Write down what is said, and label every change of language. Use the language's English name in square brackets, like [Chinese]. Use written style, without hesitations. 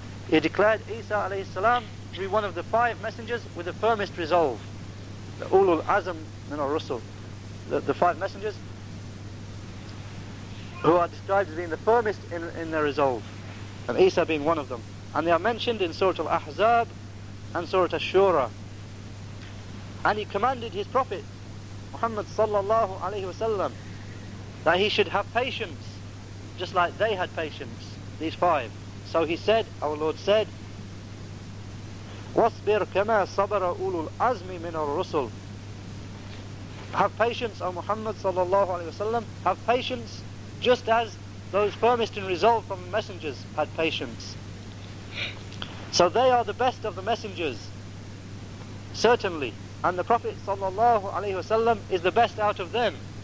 [English] He declared Isa alayhi salam to be one of the five messengers with the firmest resolve, the Ulul Azam min al-Rusul, the five messengers who are described as being the firmest in their resolve, and Isa being one of them. And they are mentioned in Surah Al-Ahzab and Surah Ash-Shura. And he commanded his Prophet Muhammad sallallahu alayhi wasallam that he should have patience, just like they had patience, these five. So he said, our Lord said, [Arabic] وَاصْبِرْ كَمَا صَبَرَ أُولُو الْأَزْمِ مِنَ الرُّسُلِ. [English] Have patience, O Muhammad sallallahu alayhi wasallam, have patience just as those firmest in resolve from messengers had patience. So they are the best of the messengers, certainly, and the Prophet sallallahu alayhi wasallam is the best out of them.